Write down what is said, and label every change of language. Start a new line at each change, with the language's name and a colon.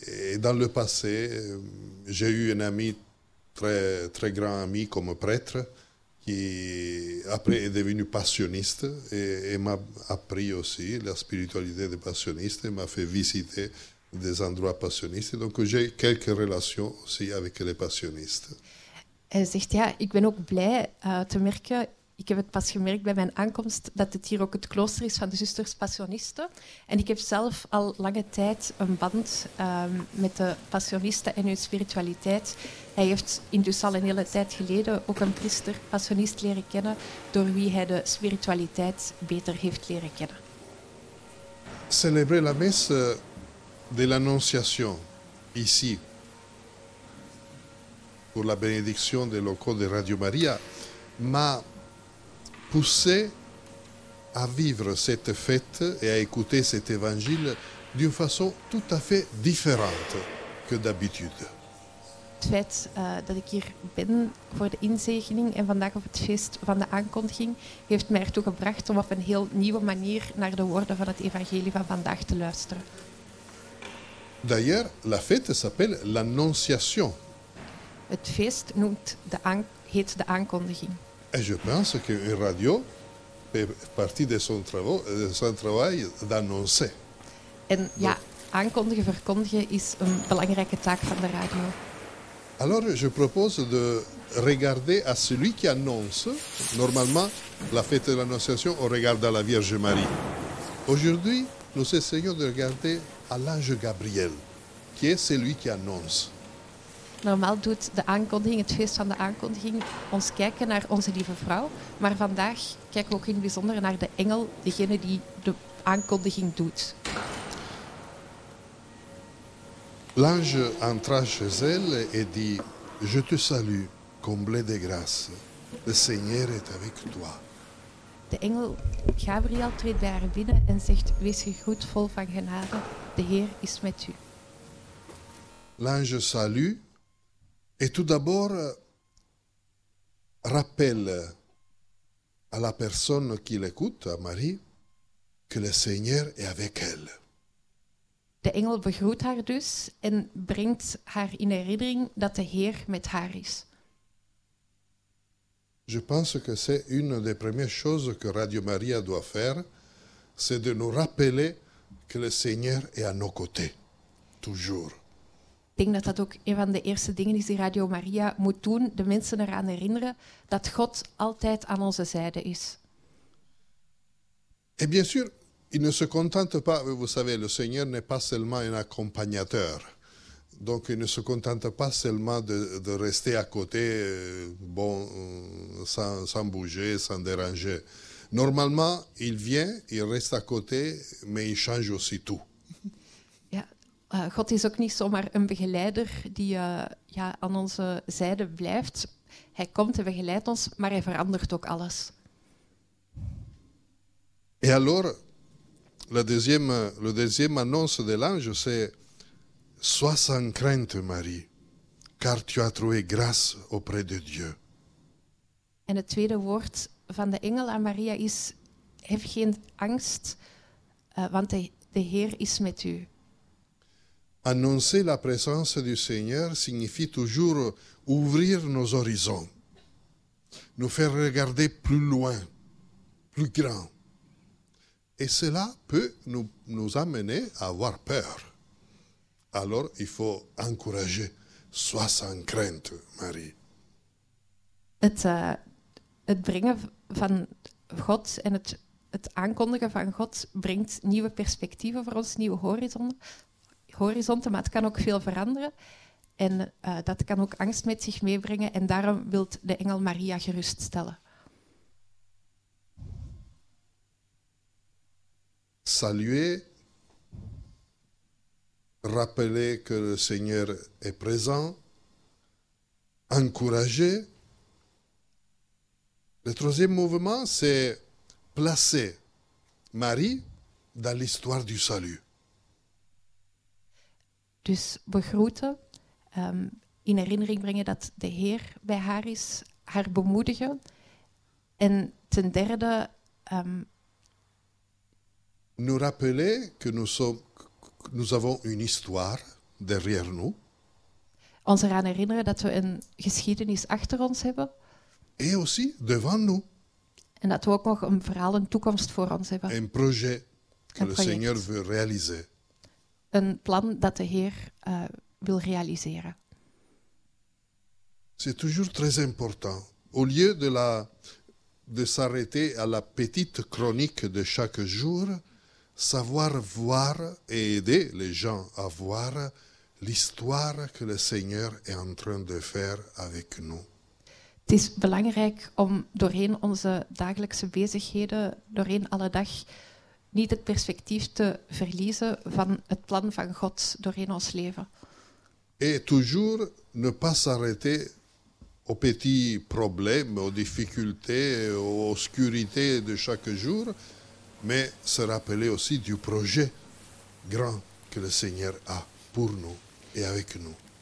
French: Et dans le passé, j'ai eu un ami, très, très grand ami comme prêtre, qui après est devenu passionniste et m'a appris aussi la spiritualité des passionnistes, m'a fait visiter des endroits passionnistes. Donc j'ai quelques relations aussi avec les passionnistes.
Dutch: Elle zegt, ja, ik ben ook blij te merken, ik heb het pas gemerkt bij mijn aankomst, dat het hier ook het klooster is van de zusters passionisten. En ik heb zelf al lange tijd een band met de passionisten en hun spiritualiteit. Hij heeft intussen al een hele tijd geleden ook een priester passionist leren kennen, door wie hij de spiritualiteit beter heeft leren kennen.
French: Célébrer la messe de l'Annonciation, ici, pour la bénédiction des locaux de Radio Maria, m'a poussé à vivre cette fête et à écouter cet évangile d'une façon tout à fait différente que d'habitude.
Dutch: Het feit dat ik hier ben voor de inzegening en vandaag op het feest van de aankondiging heeft mij ertoe gebracht om op een heel nieuwe manier naar de woorden van het evangelie van vandaag te luisteren.
French: D'ailleurs, la fête s'appelle l'Annonciation.
Dutch: Het feest heet de aankondiging.
French: Et je pense que une radio fait partie de son travaux, de son travail d'annoncer.
Dutch: En ja, aankondigen, verkondigen is een belangrijke taak van de radio.
French: Alors, je propose de regarder à celui qui annonce. Normalement, la fête de l'Annonciation, on regarde à la Vierge Marie. Aujourd'hui, nous essayons de regarder à l'ange Gabriel, qui est celui qui annonce.
Dutch: Normaal doet de aankondiging, het feest van de aankondiging, ons kijken naar onze lieve vrouw. Maar vandaag kijken we ook in het bijzonder naar de engel, degene die de aankondiging doet.
French: L'ange entra chez elle et dit: Je te salue, comblée de grâce. Le Seigneur est avec toi.
Dutch: De engel Gabriel treedt bij haar binnen en zegt: Wees gegroet, vol van genade. De Heer is met u.
French: L'ange salue. Et tout d'abord, rappelle à la personne qui l'écoute, à Marie, que le Seigneur est avec elle.
Dutch: De engel begroet haar dus en brengt haar in herinnering dat de Heer met haar is.
French: Je pense que c'est une des premières choses que Radio Maria doit faire, c'est de nous rappeler que le Seigneur est à nos côtés, toujours.
Dutch: Ik denk dat dat ook een van de eerste dingen is die Radio Maria moet doen, de mensen eraan herinneren dat God altijd aan onze zijde is.
French: Et bien sûr, il ne se contente pas, vous savez, le Seigneur n'est pas seulement un accompagnateur. Donc il ne se contente pas seulement de rester à côté, bon, sans bouger, sans déranger. Normalement, il vient, il reste à côté, mais il change aussi tout.
Dutch: God is ook niet zomaar een begeleider die aan onze zijde blijft. Hij komt en begeleidt ons, maar hij verandert ook alles.
French: Et alors, le deuxième annonce de l'ange, c'est: Sois sans crainte, Marie, car tu as trouvé grâce auprès de Dieu.
Dutch: En het tweede woord van de engel aan Maria is: Heb geen angst, want de Heer is met u.
French: Annoncer la présence du Seigneur signifie toujours ouvrir nos horizons, nous faire regarder plus loin, plus grand. Et cela peut nous amener à avoir peur. Alors il faut encourager, sois sans crainte, Marie.
Dutch: Het brengen van God en het aankondigen van God brengt nieuwe perspectieven voor ons, nieuwe horizonnen. Horizonten, maar het kan ook veel veranderen. En dat kan ook angst met zich meebrengen. En daarom wil de engel Maria geruststellen.
French: Saluer, rappeler que le Seigneur est présent, encourager. Le troisième mouvement, c'est placer Marie dans l'histoire du salut.
Dutch: Dus begroeten, in herinnering brengen dat de Heer bij haar is, haar bemoedigen. En ten derde...
French: Nous rappeler que nous avons une histoire derrière nous.
Dutch: Ons eraan herinneren dat we een geschiedenis achter ons hebben.
French: Et aussi devant nous.
Dutch: En dat we ook nog een verhaal, een toekomst voor ons hebben.
French: Un projet que le Seigneur veut réaliser.
Dutch: Een plan dat de Heer wil realiseren.
French: C'est toujours très important. Au lieu de s'arrêter à la petite chronique de chaque jour, savoir voir et aider les gens à voir l'histoire que le Seigneur est en train de faire avec nous.
Dutch: Het is belangrijk om doorheen onze dagelijkse bezigheden, doorheen alle dag, niet het perspectief te verliezen van het plan van God doorheen ons leven.
French: Et toujours ne pas s'arrêter aux petits problèmes, aux difficultés, aux obscurités de chaque jour, mais se rappeler aussi du projet grand que le Seigneur a pour nous et avec nous.